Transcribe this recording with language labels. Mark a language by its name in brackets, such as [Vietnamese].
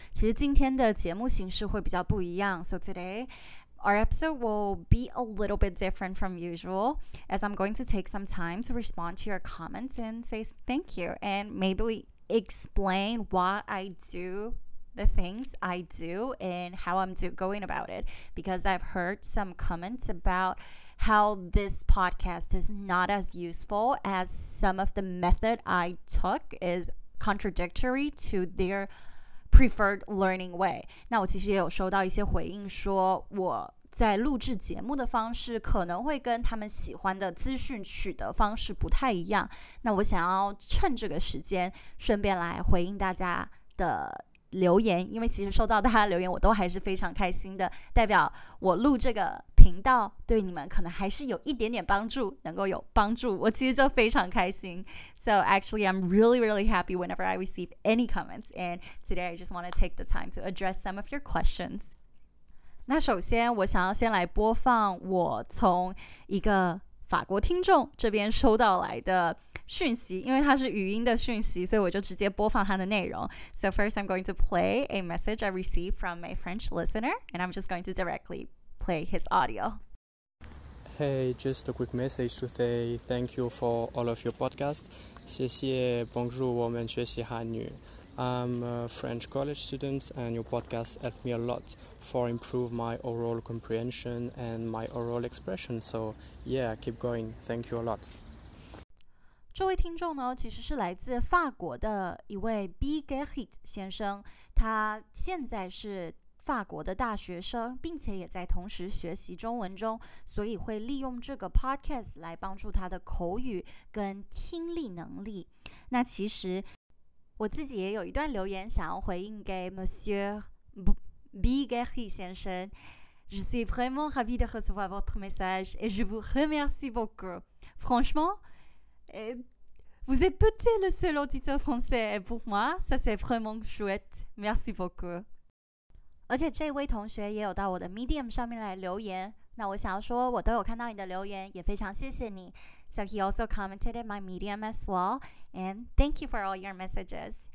[Chinese] 其实今天的节目形式会比较不一样。 [English] So today, our episode will be a little bit different from usual, as I'm going to take some time to respond to your comments and say thank you, and maybe explain why I do the things I do and how I'm going about it. Because I've heard some comments about how this podcast is not as useful as some of the method I took is contradictory to their preferred learning way. [Chinese] 那我其实也有收到一些回应说我在录制节目的方式可能会跟他们喜欢的资讯取得方式不太一样。那我想要趁这个时间顺便来回应大家的留言，因为其实收到大家的留言我都还是非常开心的，代表我录这个频道对你们可能还是有一点点帮助，能够有帮助我其实就非常开心。 [English] So actually I'm really really happy whenever I receive any comments, and today I just want to take the time to address some of your questions. [Chinese] 那首先我想要先来播放我从一个法国听众这边收到来的讯息，因为它是语音的讯息，所以我就直接播放它的内容。 [English] So first I'm going to play a message I received from a French listener, and I'm just going to directly play his audio. Hey, just a quick message to say thank you for all of your podcasts. [Chinese] 谢谢，bonjour, 我们学习汉语。 [English] I'm a French college student, and your podcast helped me a lot for improve my oral comprehension and my oral expression. So yeah, keep going. Thank you a lot. [Chinese] 这位听众呢，其实是来自法国的一位 B. Gerhit 先生，他现在是法国的大学生，并且也在同时学习中文中，所以会利用这个 podcast 来帮助他的口语跟听力能力。那其实我自己也有一段留言想要回应给 Monsieur B. Gerhit 先生。 [French] Je suis vraiment ravi de recevoir votre message et je vous remercie beaucoup. Franchement, vous êtes peut-être le seul auditeur français, et pour moi, ça c'est vraiment chouette. Merci beaucoup. [Chinese] 而且这位同学也有到我的 Medium 上面来留言，那我想要说我都有看到你的留言，也非常谢谢你。 [English] So he also commented in my Medium as well, and thank you for all your messages.